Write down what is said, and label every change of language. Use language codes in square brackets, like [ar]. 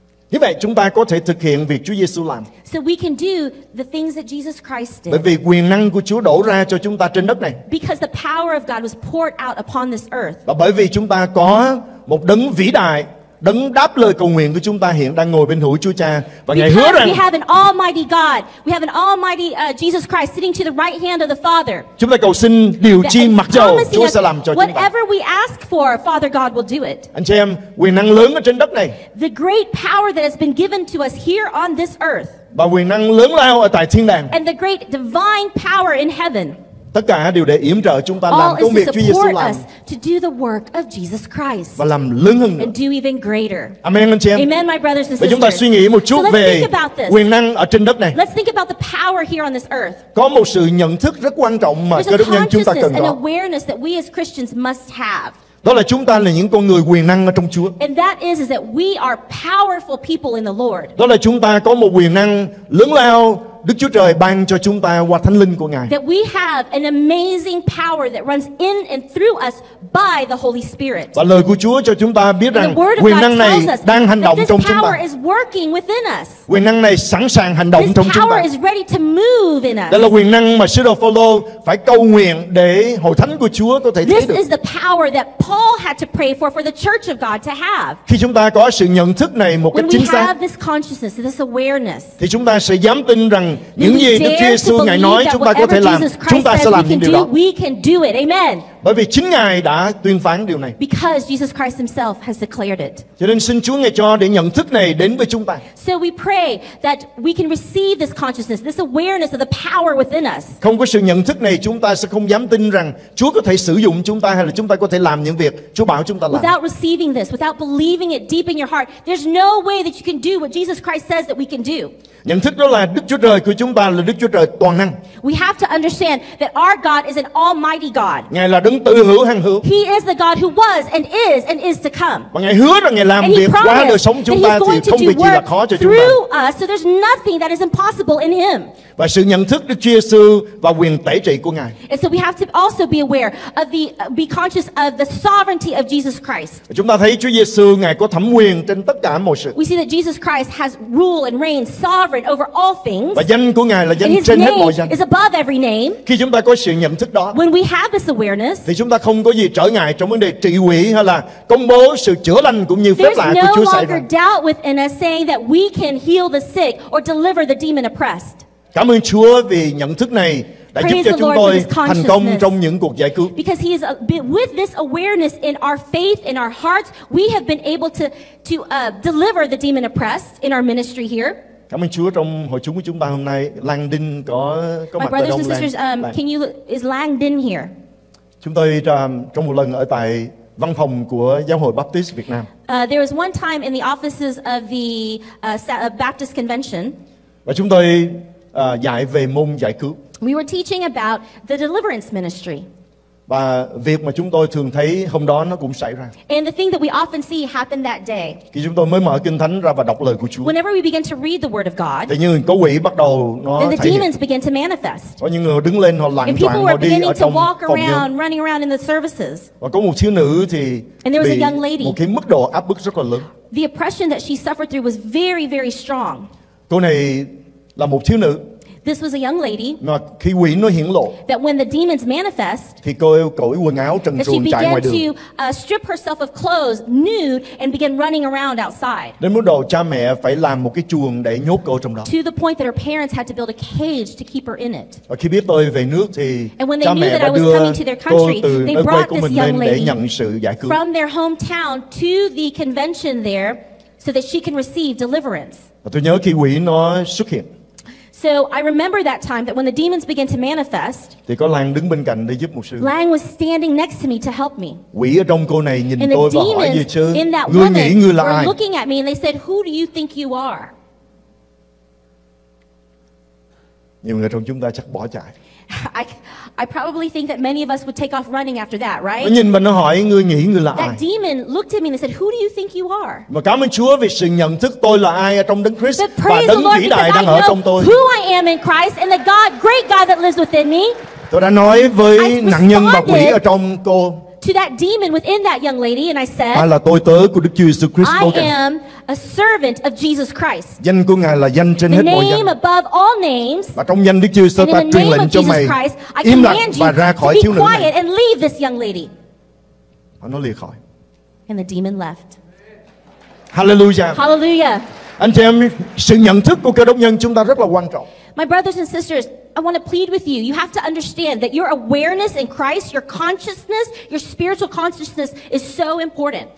[vi] Như vậy chúng ta có thể thực hiện việc Chúa Giêsu làm. [en] So we can do the things that Jesus Christ did. [vi] Bởi vì quyền năng của Chúa đổ ra cho chúng ta trên đất này. [en] Because the power of God was poured out upon this earth. [vi] Và bởi vì chúng ta có một đấng vĩ đại, đấng đáp lời cầu nguyện của chúng ta hiện đang ngồi bên hữu Chúa Cha và Ngài hứa rằng [en] we have an almighty God. We have an almighty Jesus Christ sitting to the right hand of the Father. [vi] Chúng ta cầu xin điều chi mặc dầu Chúa sẽ làm cho chúng ta. [en] Whatever we ask for, Father God will do it. [vi] Anh chị em, quyền năng lớn ở trên đất này. [en] The great power that has been given to us here on this earth. [vi] Và quyền năng lớn lao ở tại thiên đàng. [en] And the great divine power in heaven. [vi] Tất cả đều để yểm trợ chúng ta làm công việc Chúa Giêsu làm. [en] To do the work of Jesus Christ. [vi] Và làm lớn hơn nữa. [en] And do even greater. [vi] Amen, anh chị em. [en] Amen, my brothers and sisters. [vi] Và chúng ta suy nghĩ một chút về quyền năng ở trên đất này. [en] Let's think about the power here on this earth. [vi] Có một sự nhận thức rất quan trọng mà cơ đốc nhân chúng ta cần có. [en] There's a consciousness and awareness that we as Christians must have. [vi] Đó là chúng ta là những con người quyền năng ở trong Chúa. [en] And that is that we are powerful people in the Lord. [vi] Đó là chúng ta có một quyền năng lớn lao Đức Chúa Trời ban cho chúng ta qua Thánh Linh của Ngài. [en] That we have an amazing power that runs in and through us by the Holy Spirit. [vi] Và lời của Chúa cho chúng ta biết rằng quyền năng này đang hành động trong chúng ta. [en] This power is working within us. [vi] Quyền năng này sẵn sàng hành động trong chúng ta. [en] This power is ready to move in us. [vi] Đây là quyền năng mà sứ đồ Phaolô phải cầu nguyện để hội thánh của Chúa có thể thấy được. [en] This is the power that Paul had to pray for the church of God to have. [vi] Khi chúng ta có sự nhận thức này một cách chính xác, [en] we have this consciousness, this awareness, [vi] thì chúng ta sẽ dám tin rằng những gì Đức Chúa Giêsu Ngài nói chúng ta có thể làm, chúng ta sẽ làm những điều đó. [en] We can do it. Amen. [vi] Bởi vì chính Ngài đã tuyên phán điều này. [en] Because Jesus Christ himself has declared it. [vi] Cho nên xin Chúa Ngài cho để nhận thức này đến với chúng ta. [en] So we pray that we can receive this consciousness, this awareness of the power within us. [vi] Không có sự nhận thức này chúng ta sẽ không dám tin rằng Chúa có thể sử dụng chúng ta hay là chúng ta có thể làm những việc Chúa bảo chúng ta làm. [en] Without receiving this, without believing it deep in your heart, there's no way that you can do what Jesus Christ says that we can do. [vi] Nhận thức đó là Đức Chúa Trời của chúng ta là Đức Chúa Trời toàn năng. [en] We have to understand that our God is an almighty God. [vi] Ngài là đấng tự hữu hằng hữu. [en] He is the God who was and is to come. [vi] Và Ngài hứa rằng Ngài làm việc qua đời sống chúng ta thì không việc gì là khó cho chúng ta. [en] So there's nothing that is impossible in him. [vi] Và sự nhận thức Đức Chúa Giêsu và quyền tẩy trị của Ngài. [en] And so we have to also be aware of the be conscious of the sovereignty of Jesus Christ. [vi] Chúng ta thấy Chúa Giêsu Ngài có thẩm quyền trên tất cả mọi sự. [en] We see that Jesus Christ has rule and reign sovereign over all things. [vi] Và danh của Ngài là danh trên hết mọi danh. [en] Is above every name. [vi] Khi chúng ta có sự nhận thức đó, [en] when we have this awareness, [vi] thì chúng ta không có gì trở ngại trong vấn đề trị quỷ hay là công bố sự chữa lành cũng như phép lạ của Chúa xảy ra. [en] There's no longer doubt within us saying that we can heal the sick or deliver the demon oppressed. [vi] Cảm ơn Chúa vì nhận thức này đã giúp cho chúng tôi thành công trong những cuộc giải cứu. [en] Because he is with this awareness in our faith in our hearts, we have been able to deliver the demon oppressed in our ministry here. [vi] Cảm ơn Chúa trong hội chúng của chúng ta hôm nay, Lan Đinh có [en] my [vi] mặt [en] brothers [vi] ở Đông [en] and sisters, [vi] Lan. [en] Can you is Lan Đinh here? [vi] Chúng tôi trong một lần ở tại văn phòng của Giáo hội Baptist Việt Nam. [en] There was one time in the offices of the Baptist Convention. [vi] Và chúng tôi dạy về môn giải cứu. [en] We were teaching about the deliverance ministry. [vi] Và việc mà chúng tôi thường thấy hôm đó nó cũng xảy ra. [en] And the thing that we often see happen that day. [vi] Khi chúng tôi mới mở Kinh Thánh ra và đọc lời của Chúa. [en] Whenever we begin to read the word of God. [vi] Thì những người có quỷ bắt đầu nó thể hiện. [en] Then the demons begin to manifest. [vi] Có những người đứng lên họ lảng vảng họ đi ở trong phòng nhóm. [en] Running around in the services. [vi] Và có một thiếu nữ thì [en] and there was a young lady. [vi] Một cái mức độ áp bức rất là lớn. [en] The oppression that she suffered through was very very strong. [vi] Cô này là một thiếu nữ. [en] This was a young lady. [vi] Mà khi quỷ nó hiển lộ. [en] That when the demons manifest. [vi] Thì cô ấy cởi quần áo trần truồng chạy ngoài đường. [en] She began to strip herself of clothes, nude, and began running around outside. [vi] Đến mức độ cha mẹ phải làm một cái chuồng để nhốt cô trong đó. [en] To the point that her parents had to build a cage to keep her in it. [vi] Và khi biết tôi về nước thì cha mẹ đã đưa cô từ nơi quê của mình lên để nhận sự giải cứu. [en] From their hometown to the convention there, so that she can receive deliverance. [vi] Và tôi nhớ khi quỷ nó xuất hiện. [en] So I remember that time that when the demons began to manifest. [vi] Thì có Lan đứng bên cạnh để giúp một sự. [en] Lan was standing next to me to help me. [vi] Quỷ ở trong cô này nhìn [en] and [vi] tôi và hỏi gì chứ? Người nghĩ người là ai? [en] Looking at me and they said, "Who do you think you are?" [vi] Nhiều người trong chúng ta chắc bỏ chạy. [en] I probably think that many of us would take off running after that, right? [vi] Nó nhìn mình nó hỏi người nghĩ người là [en] that [vi] ai? [en] That demon looked at me and said, "Who do you think you are?" [vi] Mà cảm ơn Chúa vì sự nhận thức tôi là ai ở trong Đấng Christ và Đấng [en] Lord [vi] vĩ đại đang ở trong tôi. [en] Who I am in Christ and the God, great God that lives within me. [vi] Tôi đã nói với nạn nhân và quỷ ở trong cô. [en] To that demon within that young lady, and I said, [vi] "Ta là tôi tớ của Đức Chúa Giêsu Christ." [en] I am a servant of Jesus Christ. [vi] Danh của Ngài là danh trên hết mọi danh. [en] The name above all names. [vi] Và trong danh Đức Chúa Giêsu, ta truyền lệnh cho mày im lặng và ra khỏi thiếu nữ này. [en] And leave this young lady. [vi] Và nó lìa khỏi. [en] And the demon left. [vi] Hallelujah. [en] Hallelujah. [vi] Anh chị em, sự nhận thức của cơ đốc nhân chúng ta rất là quan trọng. [en] My brothers and sisters, I want to plead with you. You have to understand that your awareness in Christ, your consciousness, your spiritual consciousness is so important.